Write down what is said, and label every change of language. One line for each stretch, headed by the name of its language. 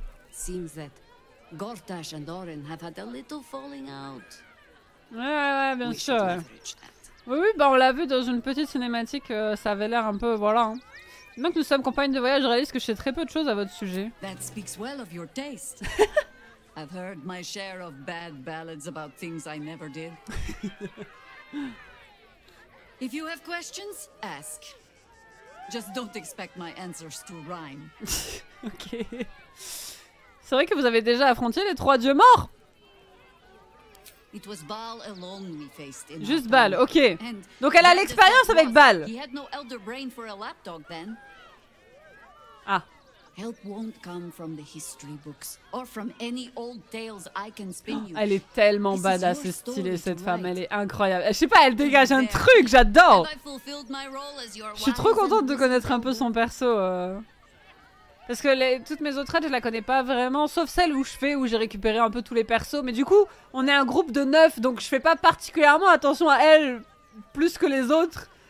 English: Seems that Gortash and Aurine have had a little falling out.
French: Ouais, bien we sûr. Oui, bah on l'a vu dans une petite cinématique, ça avait l'air un peu, voilà. Hein. Donc nous sommes compagnes de voyage, je réalise que je sais très peu de choses à votre sujet.
English: That speaks well of your taste. I've heard my share of bad ballads about things I never did. If you have questions, ask. Just don't expect my answers to rhyme. Ok.
French: C'est vrai que vous avez déjà affronté les trois dieux morts.
English: It was Baal alone we faced in
French: juste Baal, ok. And donc elle a l'expérience avec Baal.
English: He had no elder brain for a lapdog then. Ah. Help won't come from the history books or from any old tales I can spin you.
French: Elle est tellement badass et stylée, cette femme. Elle est incroyable. Je sais pas, elle dégage un truc, j'adore. Je suis trop contente de connaître un peu son perso. Parce que toutes mes autres aides, je la connais pas vraiment, sauf celle où j'ai récupéré un peu tous les persos. Mais du coup, on est un groupe de 9, donc je fais pas particulièrement attention à elle plus que les autres.